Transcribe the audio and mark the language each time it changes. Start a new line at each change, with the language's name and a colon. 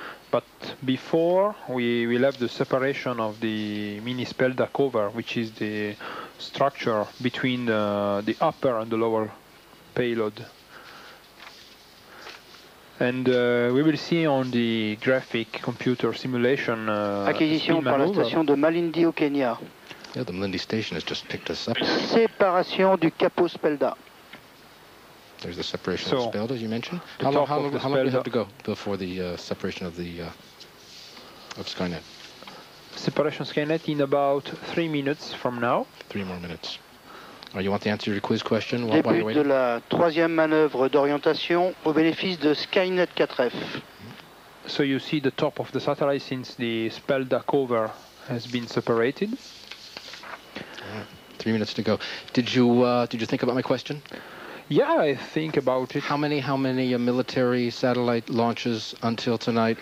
English: But before, we left the separation of the mini Spelda cover, which is the structure between the upper and the lower payload. And we will see on the graphic computer simulation
French: acquisition par la station de Malindi au Kenya.
English: Yeah, the Malindi station has just picked us up.
French: Séparation du Capo Spelda.
English: There's the separation of Spelda, you mentioned. How long do we have to go before the separation of the of Skynet? Separation Skynet in about 3 minutes from now. 3 more minutes. Oh, you want the answer to your quiz question?
French: Début while de la troisième manœuvre d'orientation au bénéfice de Skynet 4F.
English: So you see the top of the satellite since the Spelda cover has been separated. Right. 3 minutes to go. Did you think about my question? Yeah, I think about it. How many military satellite launches until tonight?